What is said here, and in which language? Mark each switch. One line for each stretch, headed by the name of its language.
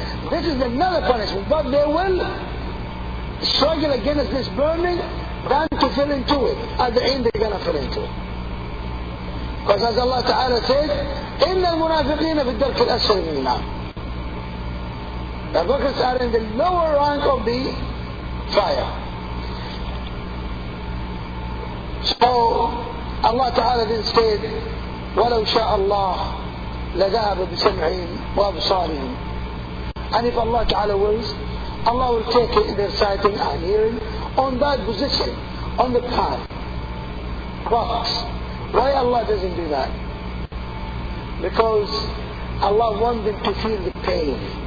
English: This is another punishment. But they will struggle against this burning than to fill into it. At the end they're going to fill into it. Because as Allah Ta'ala said,
Arabic: إِنَّ الْمُنَافِقِينَ فِي الدَّرْكِ الْأَسْفَلِ مِنَ النَّارِ.
English: The hypocrites are in the lower rank of the fire. So Allah Ta'ala then said,
Arabic: وَلَوْ شَاءَ اللَّهِ لَذَهَبَ بِسَمْعِهِمْ وَأَبْصَارِهِمْ.
English: And if Allah Ta'ala wills, Allah will take it in their sighting and hearing on that position, on the path. But why Allah doesn't do that? Because Allah wants them to feel the pain.